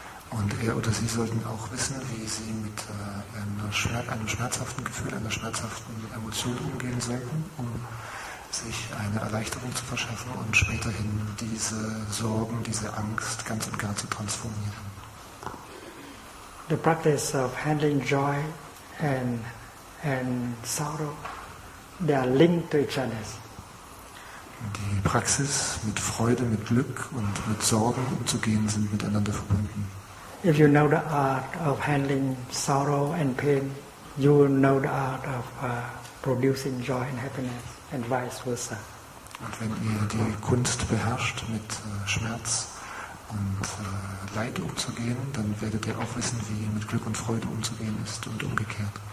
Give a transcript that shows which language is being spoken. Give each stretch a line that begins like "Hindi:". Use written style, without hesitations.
German: Und er oder sie sollten auch wissen, wie sie mit einem schmerzhaften Gefühl, einer schmerzhaften Emotion umgehen sollten, um sich eine Erleichterung zu verschaffen und späterhin diese Sorgen, diese Angst ganz und gar zu transformieren.
English: The practice of handling joy and sorrow, they are linked to each other.
German: Die Praxis mit Freude, mit Glück und mit Sorgen umzugehen sind miteinander verbunden.
English: If you know the art of handling sorrow and pain, you will know the art of producing joy and happiness, and vice versa.
German: Und wenn ihr die Kunst beherrscht, mit Schmerz und Leid umzugehen, dann werdet ihr auch wissen, wie mit Glück und Freude umzugehen ist und umgekehrt.